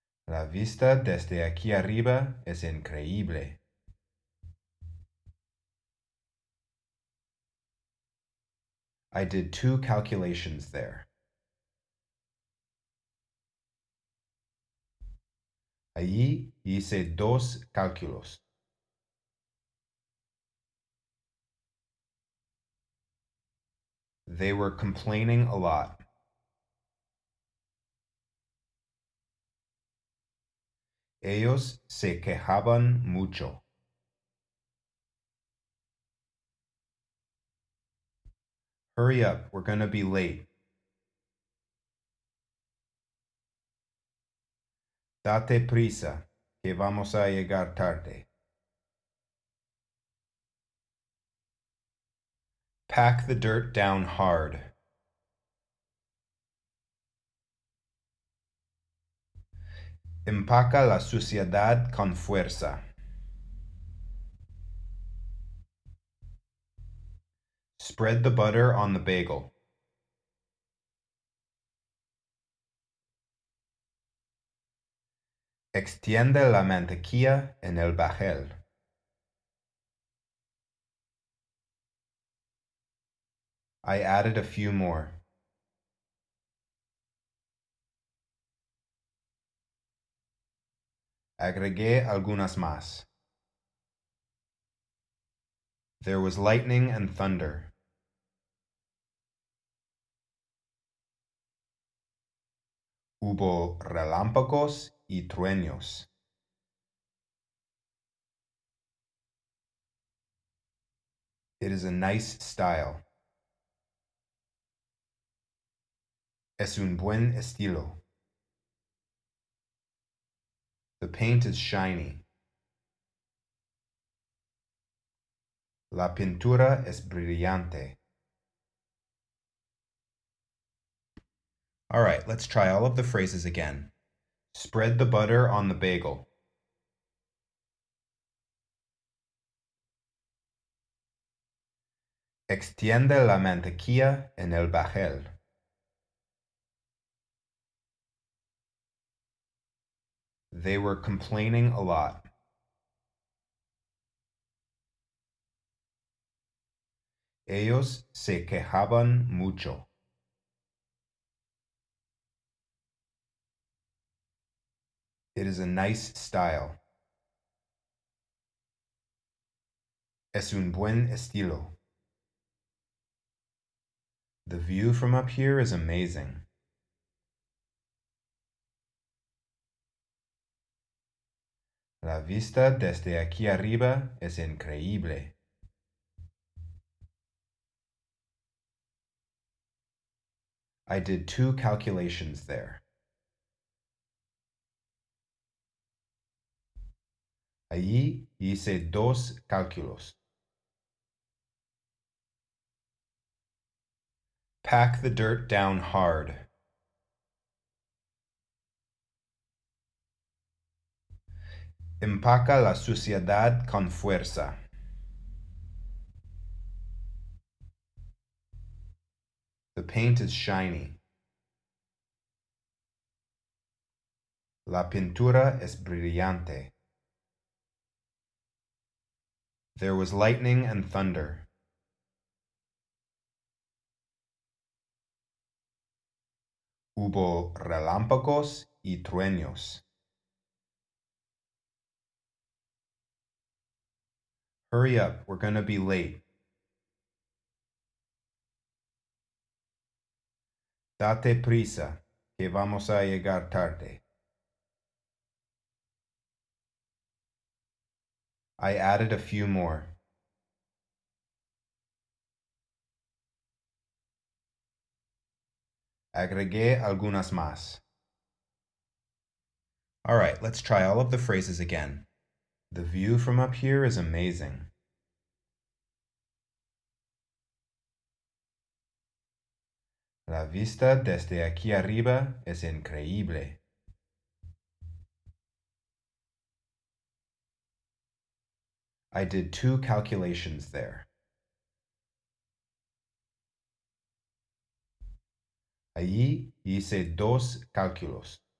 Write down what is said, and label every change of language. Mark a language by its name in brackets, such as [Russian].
[Spanish] La vista desde aquí arriba es increíble. [English] I did two calculations there. [Spanish] Allí hice dos cálculos. [English] They were complaining a lot. [Spanish] Ellos se quejaban mucho. [English] Hurry up, we're gonna be late. [Spanish] Date prisa, que vamos a llegar tarde. [English] Pack the dirt down hard. [Spanish] Empaca la suciedad con fuerza. [English] Spread the butter on the bagel. [Spanish] Extiende la mantequilla en el bagel. [English] I added a few more. [Spanish] Agregué algunas más. [English] There was lightning and thunder. [Spanish] Hubo relámpagos y truenos. [English] It is a nice style. [Spanish] Es un buen estilo. [English] The paint is shiny. [Spanish] La pintura es brillante. [English] All right, let's try all of the phrases again. Spread the butter on the bagel. [Spanish] Extiende la mantequilla en el bagel. [English] They were complaining a lot. [Spanish] Ellos se quejaban mucho. [English] It is a nice style. [Spanish] Es un buen estilo. [English] The view from up here is amazing. [Spanish] La vista desde aquí arriba es increíble. [English] I did two calculations there. [Spanish] Allí hice dos cálculos. [English] Pack the dirt down hard. [Spanish] Empaca la suciedad con fuerza. [English] The paint is shiny. [Spanish] La pintura es brillante. [English] There was lightning and thunder. [Spanish] Hubo relámpagos y truenos. [English] Hurry up, we're going to be late. [Spanish] Date prisa, que vamos a llegar tarde. [English] I added a few more. [Spanish] Agregué algunas más. [English] All right, let's try all of the phrases again. The view from up here is amazing. [Spanish] La vista desde aquí arriba es increíble. [English] I did two calculations there. [Spanish] Allí hice dos cálculos.